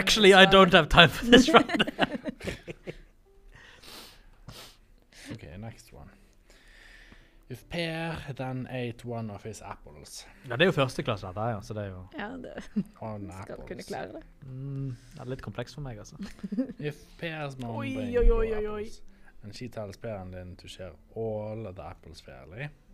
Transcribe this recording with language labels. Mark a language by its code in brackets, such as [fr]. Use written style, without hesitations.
[en] Actually, I don't have time for this round. Okay, next one. If Per then ate one of his apples. [no] Ja, det er jo første klasse, dette, ja. Så det er jo... Ja, det skal kunne klare det. Mm, det er litt kompleks for meg, altså. [en] If Per's mom bring four apples... And she tells Peren din to share all the apples fairly.